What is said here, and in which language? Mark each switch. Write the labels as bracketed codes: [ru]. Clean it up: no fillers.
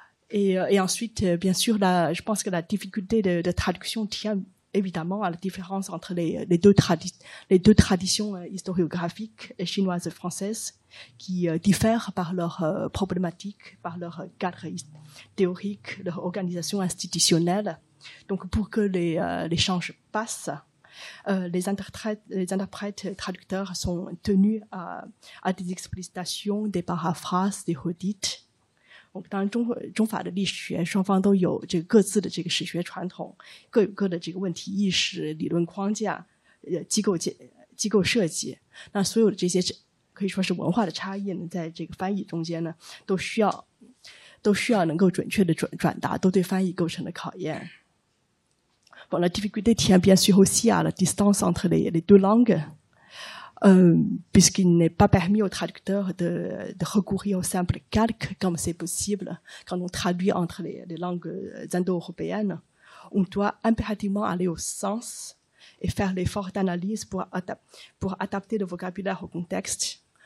[fr] Et ensuite, bien sûr, je pense que la difficulté de traduction tient évidemment à la différence entre les deux traditions historiographiques chinoises et françaises qui diffèrent par leur problématique, par leur cadre théorique, leur organisation institutionnelle. Donc, pour que l'échange passe, les interprètes traducteurs sont tenus à des explicitations, des paraphrases, des redites. [zh] 当然中法的历史学双方都有这个各自的这个史学传统，各有各的这个问题意识、理论框架、机构设计。那所有的这些可以说是文化的差异呢，在这个翻译中间呢都需要能够准确的转达，都对翻译构成了考验。 [fr] Bon, la difficulté tient bien sûr aussi à la distance entre les deux langues. Puisqu'il n'est pas permis aux traducteurs de recourir aux simples calques comme c'est possible quand on traduit entre les langues indo-européennes. On doit impérativement aller au sens et faire l'effort d'analyse pour adapter le vocabulaire au contexte.